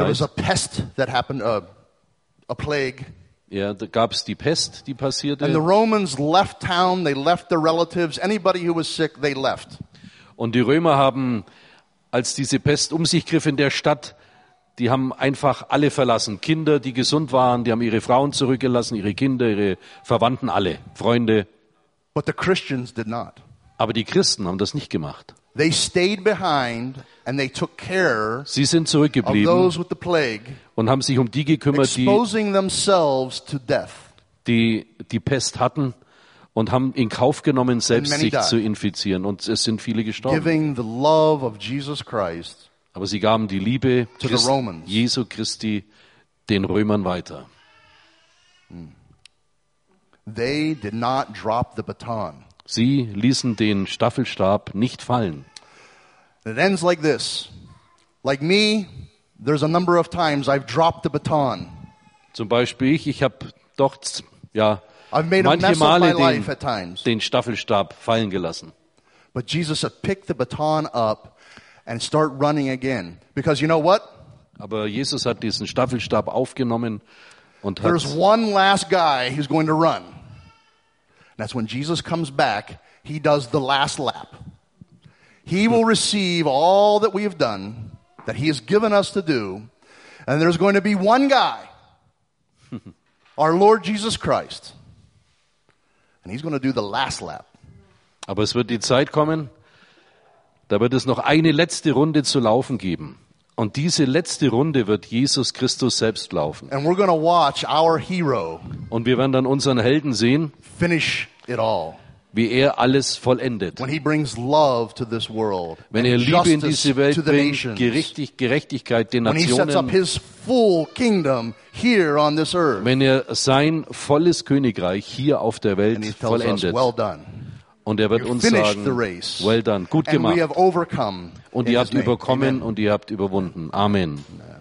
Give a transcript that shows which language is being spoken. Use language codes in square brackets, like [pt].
[en] there was a pest that happened, a plague. [de] Ja, da gab es die Pest, die passierte. [en] And the Romans left town, they left their relatives, anybody who was sick, they left. [de] Und die Römer haben, als diese Pest um sich griff in der Stadt, die haben einfach alle verlassen. Kinder, die gesund waren, die haben ihre Frauen zurückgelassen, ihre Kinder, ihre Verwandten, alle, Freunde. [en] But the Christians did not. [de] Aber die Christen haben das nicht gemacht. [en] They stayed behind and they took care [de] Sie sind zurückgeblieben [en] of those with the plague, [de] und haben sich um die gekümmert, [en] exposing [de] die, [en] themselves to death. [de] Die Pest hatten und haben in Kauf genommen, selbst sich zu infizieren. Und es sind viele gestorben. [en] Giving the love of Jesus Christ, [de] aber sie gaben die Liebe Jesu Christi den Römern weiter. [en] They did not drop the baton. [de] Sie ließen den Staffelstab nicht fallen. [en] It ends like this. Like me, there's a number of times I've dropped the baton. [de] Zum Beispiel ich habe doch ja manche Male den Staffelstab fallen gelassen. [en] But Jesus had picked the baton up and start running again. Because you know what? [de] Aber Jesus hat diesen Staffelstab aufgenommen und hat. [en] There's one last guy who's going to run. And that's when Jesus comes back. He does the last lap. He will receive all that we have done, that he has given us to do, and there's going to be one guy, our Lord Jesus Christ, and he's going to do the last lap. [de] Aber es wird die Zeit kommen, da wird es noch eine letzte Runde zu laufen geben. Und diese letzte Runde wird Jesus Christus selbst laufen. [en] And we're going to watch our hero, [de] und wir werden dann unseren Helden sehen, [en] finish it all. [de] Wie er alles vollendet. [en] When he brings love to this world, [de] wenn er Liebe in diese Welt bringt, Gerechtigkeit den Nationen, [en] when he sets up his full kingdom here on this earth, [de] wenn er sein volles Königreich hier auf der Welt vollendet. [en] Us, well done. [de] Und er wird [en] you [de] uns sagen, [en] well done, [de] gut [en] and [de] gemacht. [en] We have overcome [de] und ihr habt überkommen [en] Amen. [de] Und ihr habt überwunden. Amen. Amen.